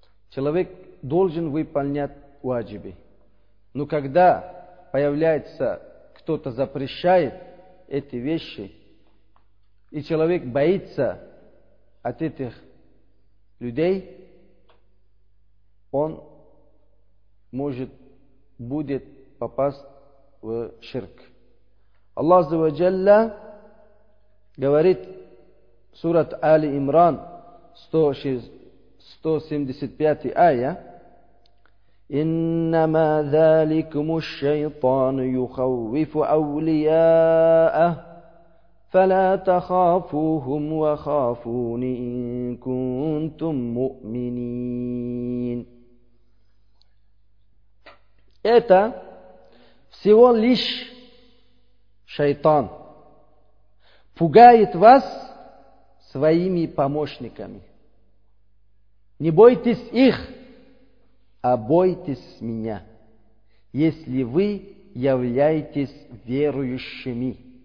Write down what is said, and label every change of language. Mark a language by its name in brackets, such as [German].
[Russian] Человек должен выполнять ваджибы. Но когда появляется кто-то запрещает эти вещи, и человек боится от этих людей, он может будет попасть в ширк. Аллах Азза ва Джалла говорит сурат Али Имран 175 [Arabic] آية: إنما ذلكم الشيطان يخوف أولياءه فلا تخافوهم وخافون إن كنتم مؤمنين. [Russian] Это всего лишь шайтан пугает вас своими помощниками. Не бойтесь их, а бойтесь меня, если вы являетесь верующими.